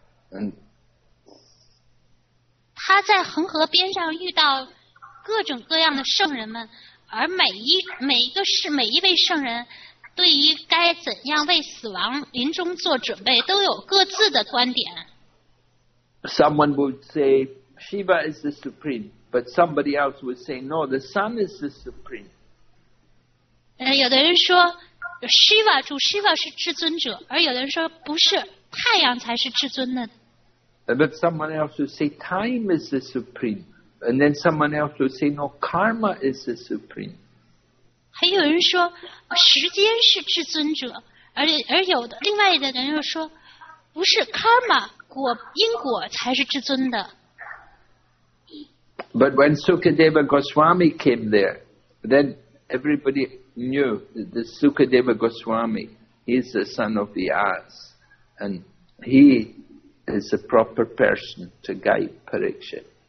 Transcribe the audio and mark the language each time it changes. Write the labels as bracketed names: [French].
[English] And [Chinese] 他在恒河边上遇到各种各样的圣人们，而每一位圣人对于该怎样为死亡临终做准备都有各自的观点。 [English] Someone would say Shiva is the supreme, but somebody else would say no, the sun is the supreme. [Chinese] 有的人说 Shiva 主 Shiva 是至尊者，而有的人说不是，太阳才是至尊的。 [English] But someone else would say time is the supreme, and then someone else would say no, karma is the supreme. [Chinese] 还有人说时间是至尊者，而有的另外的人又说不是 karma。因果才是至尊的。 [English] But when Sukadeva Goswami came there, then everybody knew that the Sukadeva Goswami, he is the son of Vyas, and he is the proper person to guide Parikshit.